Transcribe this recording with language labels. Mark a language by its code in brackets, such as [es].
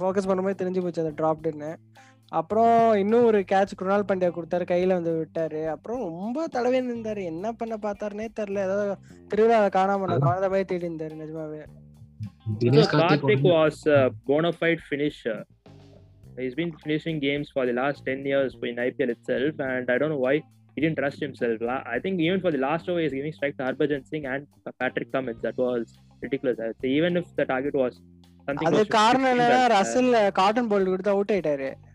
[ta] தெரிஞ்சு போச்சு அப்புறம் இன்னும் ஒரு கேட்ச் குருணால் பாண்டியா கொடுத்தாரு, கையில வந்து விட்டாரு. அப்புறம் ரொம்ப தடவை நின்றாரு, என்ன பண்ண பார்த்தாருனே தெரியல. ஏதாவது திருவிழா காணாம குழந்தை போய் தேடி இருந்தாரு. நிஜமாவே [en] Karthik was a bona fide finisher. He's been finishing games for the last 10 years in IPL itself, and I don't know why he didn't trust himself. I think even for the last over, he's giving strike to Harbhajan Singh and Patrick Cummins. That was ridiculous. So even if the target was something, [ta] அது காரணம் என்னன்னா Russell cotton பால் கொடுத்து out ஆயிட்டாரு.